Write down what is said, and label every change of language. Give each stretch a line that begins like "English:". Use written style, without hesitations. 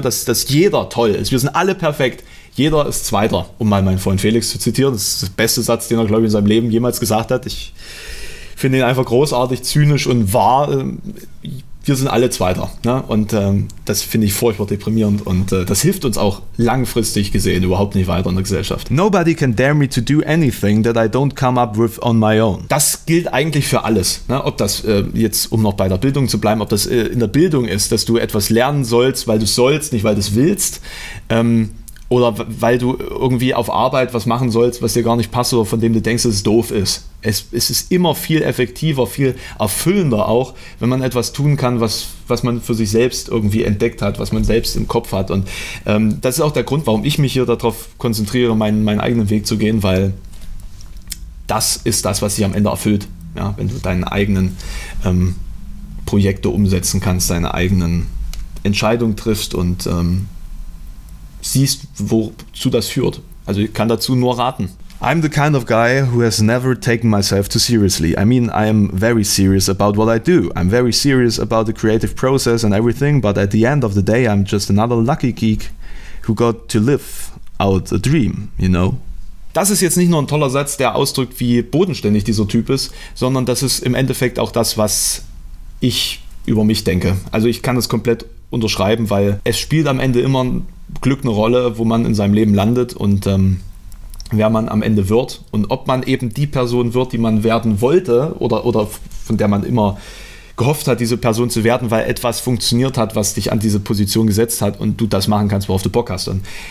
German: dass jeder toll ist. Wir sind alle perfekt. Jeder ist Zweiter, um mal meinen Freund Felix zu zitieren. Das ist der beste Satz, den er, glaube ich, in seinem Leben jemals gesagt hat. Ich finde ihn einfach großartig, zynisch und wahr. Wir sind alle Zweiter. Ne? Und das finde ich furchtbar deprimierend. Und das hilft uns auch langfristig gesehen überhaupt nicht weiter in der Gesellschaft.
English: Nobody can dare me to do anything that I don't come up with on my own.
German: Das gilt eigentlich für alles. Ne? Ob das jetzt, um noch bei der Bildung zu bleiben, ob das in der Bildung ist, dass du etwas lernen sollst, weil du sollst, nicht weil du es willst. Oder weil du irgendwie auf Arbeit was machen sollst, was dir gar nicht passt oder von dem du denkst, dass es doof ist. Es ist immer viel effektiver, viel erfüllender auch, wenn man etwas tun kann, was man für sich selbst irgendwie entdeckt hat, was man selbst im Kopf hat. Und das ist auch der Grund, warum ich mich hier darauf konzentriere, meinen eigenen Weg zu gehen, weil das ist das, was dich am Ende erfüllt. Ja, wenn du deine eigenen Projekte umsetzen kannst, deine eigenen Entscheidungen triffst und siehst, wozu das führt. Also ich kann dazu nur raten.
English: I'm the kind of guy who has never taken myself too seriously. I mean, I am very serious about what I do. I'm very serious about the creative process and everything, but at the end of the day, I'm just another lucky geek who got to live out a dream, you know?
German: Das ist jetzt nicht nur ein toller Satz, der ausdrückt, wie bodenständig dieser Typ ist, sondern das ist im Endeffekt auch das, was ich über mich denke. Also ich kann das komplett unterschreiben, weil es spielt am Ende immer Glück eine Rolle, wo man in seinem Leben landet und wer man am Ende wird und ob man eben die Person wird, die man werden wollte oder von der man immer gehofft hat, diese Person zu werden, weil etwas funktioniert hat, was dich an diese Position gesetzt hat und du das machen kannst, worauf du Bock hast. Und